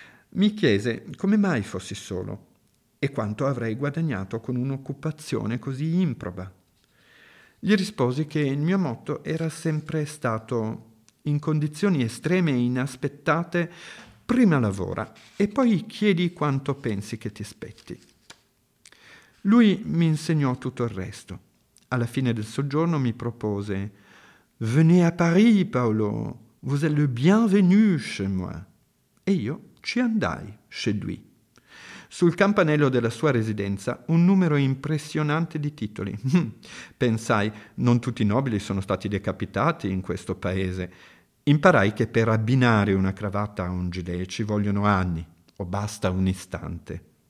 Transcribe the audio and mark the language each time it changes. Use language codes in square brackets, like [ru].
[it] Mi chiese come mai fossi solo e quanto avrei guadagnato con un'occupazione così improba. Gli risposi che il mio motto era sempre stato: in condizioni estreme e inaspettate, prima lavora e poi chiedi quanto pensi che ti spetti. Lui mi insegnò tutto il resto. Alla fine del soggiorno mi propose: [fr] «Venez à Paris, Paolo, vous êtes le bienvenu chez moi». [it] E io ci andai, [fr] chez lui. [it] Sul campanello della sua residenza un numero impressionante di titoli. Pensai, non tutti i nobili sono stati decapitati in questo paese. Imparai che per abbinare una cravatta a un gilet ci vogliono anni, o basta un istante.